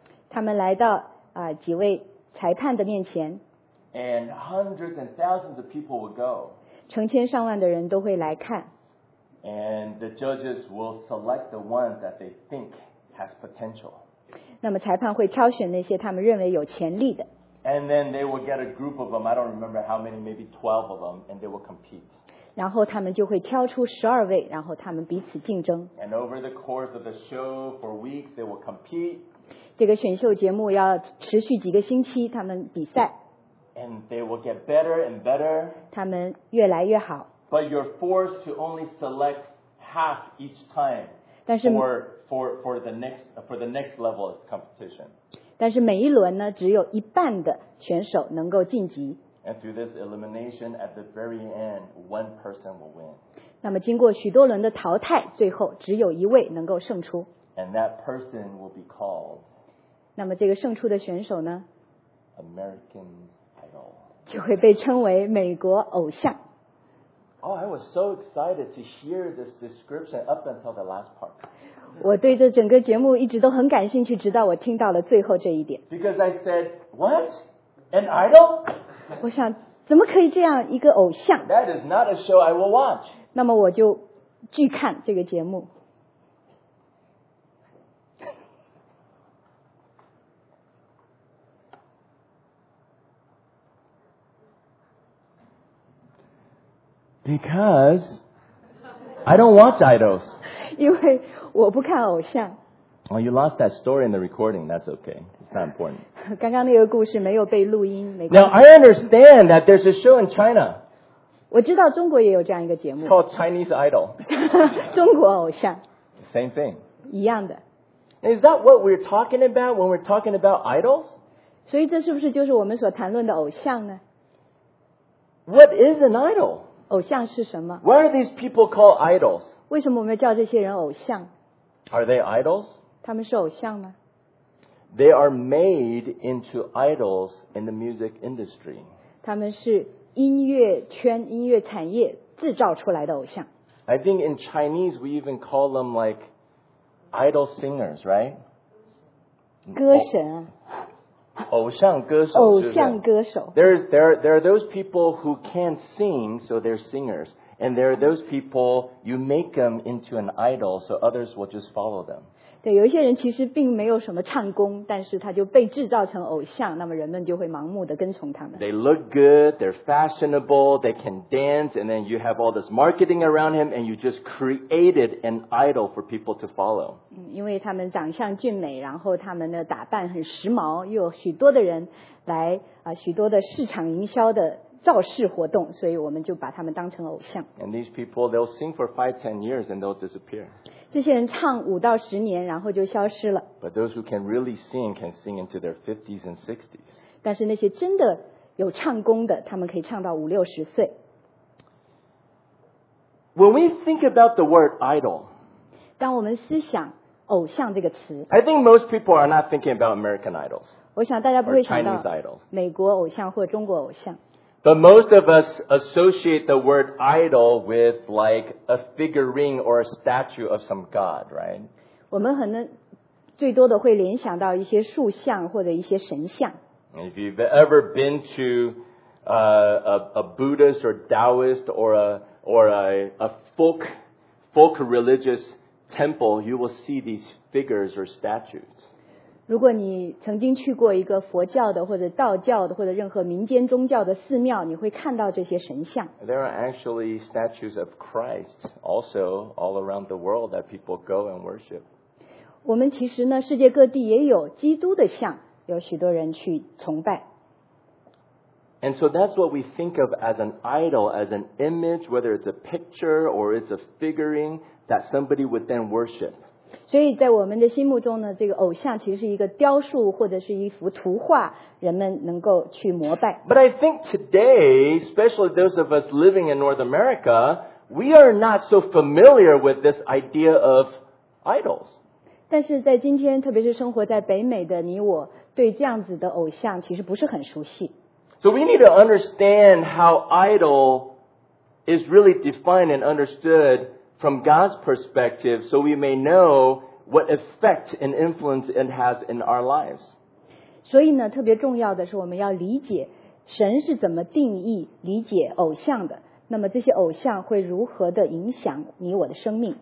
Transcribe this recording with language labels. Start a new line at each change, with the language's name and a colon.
Chinese: 他们来到几位裁判的面前。
English: And hundreds and thousands of people will go.
Chinese: 成千上万的人都会来看。
English: And the judges will select the one that they think has potential.
Chinese: 那么裁判会挑选那些他们认为有潜力的。
English: And then they will get a group of them. I don't remember how many, maybe 12 of them, and they will compete.
Chinese: 然后他们就会挑出十二位，然后他们彼此竞争。
English: And over the course of the show for weeks, they will compete.
Chinese: 这个选秀节目要持续几个星期，他们比赛。
English: And they will get better and better.
Chinese: 他们越来越好。
English: But you're forced to only select half each time.
Chinese: 但是
English: for the next level of competition.
Chinese: 但是每一轮呢，只有一半的选手能够晋级。
English: And through this elimination, at the very end, one person will win.
Chinese: 那么经过许多轮的淘汰，最后只有一位能够胜出。
English: And that person will be called.
Chinese: 那么这个胜出的选手呢
English: ？American Idol.
Chinese: 就会被称为美国偶像。
English: Oh, I was so excited to hear this description up until the last part.
Chinese: 我对这整个节目一直都很感兴趣，直到我听到了最后这一点。
English: Because I said, "What? An idol?"
Chinese: 我想怎么可以这样一个偶像
English: That is not a show I will watch.
Chinese: 那么我就拒看这个节目
English: Because I don't watch idols.
Chinese: 因为我不看偶像
English: Well, you lost that story in the recording. That's okay. It's not important.
Chinese: 刚刚那个故事没有被录音。
English: Now I understand that there's a show in China.
Chinese: 我知道中国也有这样一个节目。
English: It's called Chinese Idol.
Chinese: 中国偶像。
English: Same thing.
Chinese: 一样的。
English: Is that what we're talking about when we're talking about idols?
Chinese: 所以这是不是就是我们所谈论的偶像呢
English: ？What is an idol?
Chinese: 偶像是什么
English: ？Why are these people called idols?
Chinese: 为什么我们要叫这些人偶像
English: ？Are they idols?
Chinese: 他们是偶像吗？
English: They are made into idols in the music industry.
Chinese: 他们是音乐圈音乐产业制造出来的偶像。
English: I think in Chinese we even call them like idol singers, right?
Chinese: 歌神。偶像歌手。偶像歌手。
English: There are those people who can't sing, so they're singers. And there are those people you make them into an idol, so others will just follow them.
Chinese: 对，有一些人其实并没有什么唱功，但是他就被制造成偶像，那么人们就会盲目的跟从他们。
English: They look good, they're fashionable, they can dance, and then you have all this marketing around him, and you just created an idol for people to follow.
Chinese: 因为他们长相俊美，然后他们的打扮很时髦，又有许多的人来许多的市场营销的造势活动，所以我们就把他们当成偶像。
English: And these people, they'll sing for 5-10 years and they'll disappear.
Chinese: 这些人唱五到十年，然后就消失了。
English: But those who can really sing can sing into their 50s and 60s.
Chinese: 但是那些真的有唱功的，他们可以唱到五六十岁。
English: When we think about the word idol,
Chinese: 当我们思想偶像这个词
English: ，I think most people are not thinking about American idols.
Chinese: 我想大家不会想到美国偶像或中国偶像。
English: But most of us associate the word idol with like a figurine or a statue of some god, right?
Chinese: 我们可能最多的会联想到一些塑像或者一些神像。
English: If you've ever been to a Buddhist or Taoist or a folk religious temple, you will see these figures or statues.
Chinese: 如果你曾经去过一个佛教的或者道教的或者任何民间宗教的寺庙，你会看到这些神像。
English: There are actually statues of Christ also all around the world that people go and worship.
Chinese: 我们其实呢，世界各地也有基督的像，有许多人去崇拜。
English: And so that's what we think of as an idol, as an image, whether it's a picture or it's a figurine that somebody would then worship.
Chinese: 所以在我们的心目中呢，这个偶像其实是一个雕塑或者是一幅图画，人们能够去膜拜。
English: But I think today, especially those of us living in North America, we are not so familiar with this idea of idols.
Chinese: 但是在今天，特别是生活在北美的你我，对这样子的偶像其实不是很熟悉。
English: So we need to understand how idol is really defined and understood from God's perspective so we may know what effect and influence it has in our lives.
Chinese: 所以呢，特别重要的是我们要理解神是怎么定义理解偶像的，那么这些偶像会如何的影响你我的生命。